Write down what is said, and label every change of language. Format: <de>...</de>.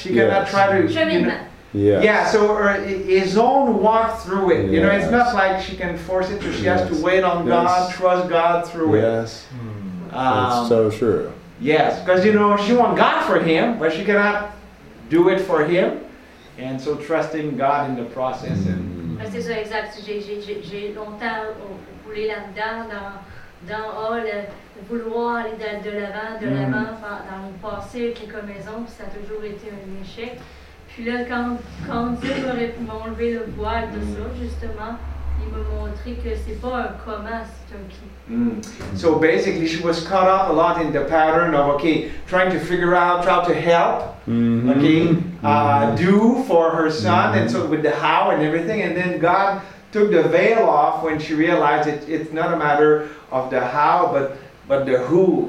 <en>she cannot try to. So her his own walk through it. Yes. You know, it's not like she can force it. So she has to wait on God, trust God through it. Yes, it's so true. Yes, because you know she wants God for him, but she cannot do it for him, and so trusting God in the process. And</en> <fr>c'est ça exact. J'ai longtemps voulu dans le vouloir aller de l'avant, de l'avant, dans mon passé avec l'école maison, puis ça a toujours été un échec. Puis là, quand Dieu m'a enlevé le voile de ça, justement, il m'a montré que c'est pas un comment, c'est un qui.</fr> <en>So basically, she was caught up a lot in the pattern of, okay, trying to figure out, try to help, do for her son, and so with the how and everything, and then God took the veil off when she realized it's not a matter of the how, but the who.</en>